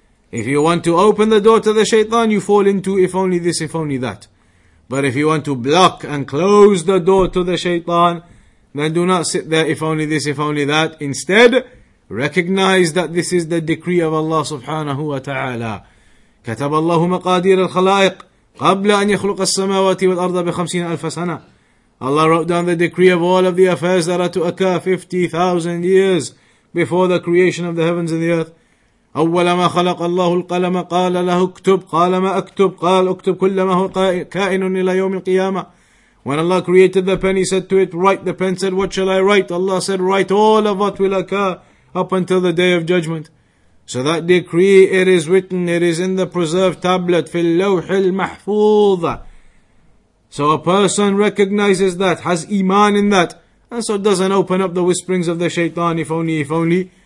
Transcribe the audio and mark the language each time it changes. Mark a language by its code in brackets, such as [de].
[en] If you want to open the door to the shaitan, you fall into if only this, if only that. But if you want to block and close the door to the shaitan, then do not sit there if only this, if only that. Instead, recognize that this is the decree of Allah subhanahu wa ta'ala. [ar] كتب الله مقادير الخلائق قبل أن يخلق السماوات والأرض بخمسين ألف سنة. [en] Allah wrote down the decree of all of the affairs that are to occur 50,000 years before the creation of the heavens and the earth. [ar] أول ما خلق الله القلم قال له اكتب قال ما اكتب قال اكتب كل ما هو كائن إلى يوم القيامة. [en] When Allah created the pen, He said to it, write. The pen said, what shall I write? Allah said, write all of what will occur up until the day of judgment. So that decree, it is written, it is in the preserved tablet, [ar] في اللوح المحفوظ. [en] So a person recognizes that, has iman in that, and so doesn't open up the whisperings of the shaitan, if only, if only.